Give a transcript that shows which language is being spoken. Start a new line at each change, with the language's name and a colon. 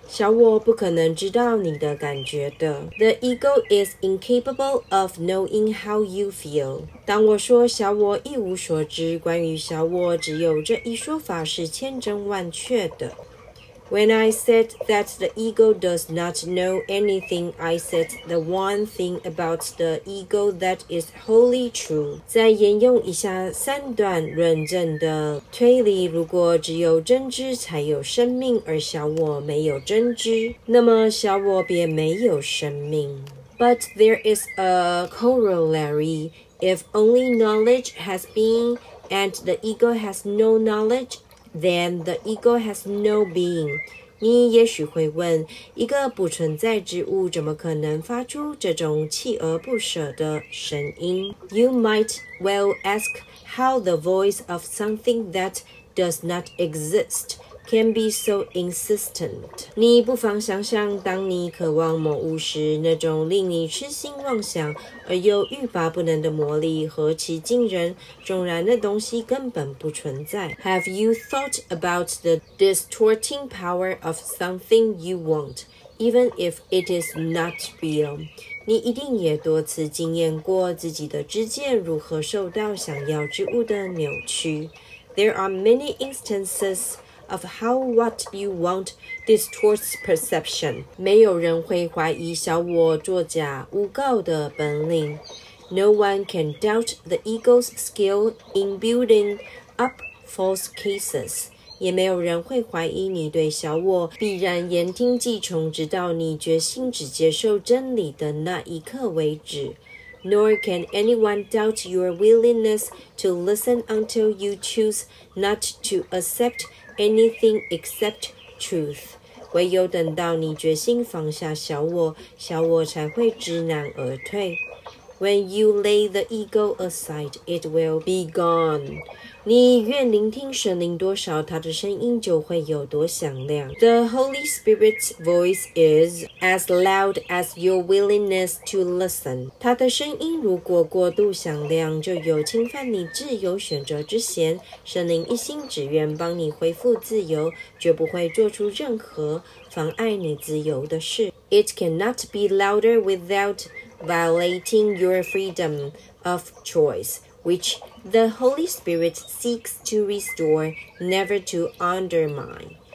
Chinese: 小我不可能知道你的感觉的。
English: The ego is incapable of knowing how you feel.
Chinese: 当我说小我一无所知，关于小我只有这一说法是千真万确的。
English: When I said that the ego does not know anything, I said the one thing about the ego that is wholly true.
Chinese: 再沿用一下三段论证的推理，如果只有真知才有生命，而小我没有真知，那么小我便没有生命。
English: But there is a corollary. If only knowledge has been and the ego has no knowledge, then the ego has no being.
Chinese: 你也许会问，一个不存在之物怎么可能发出这种锲而不舍的声音？
English: You might well ask how the voice of something that does not exist can be so insistent.
Chinese: 你不妨想想，当你渴望某物时，那种令你痴心妄想而又欲罢不能的魔力何其惊人，纵然那东西根本不存在。
English: Have you thought about the distorting power of something you want, even if it is not real?
Chinese: 你一定也多次经验过自己的知见如何受到想要之物的扭曲。
English: There are many instances of how what you want distorts perception.
Chinese: 没有人会怀疑小我作假诬告的本领。
English: No one can doubt the ego's skill in building up false cases.
Chinese: 也没有人会怀疑你对小我必然言听计从，直到你决心只接受真理的那一刻为止。
English: Nor can anyone doubt your willingness to listen until you choose not to accept anything except truth.
Chinese: 唯有等到你决心放下小我，小我才会知难而退。
English: When you lay the ego aside, it will be gone.
Chinese: 你愿聆听神灵多少，他的声音就会有多响亮。
English: The Holy Spirit's voice is as loud as your willingness to listen.
Chinese: 他的声音如果过度响亮，就有侵犯你自由选择之嫌。神灵一心只愿帮你恢复自由，绝不会做出任何妨碍你自由的事。
English: It cannot be louder without violating your freedom of choice, which the Holy Spirit seeks to restore, never to undermine.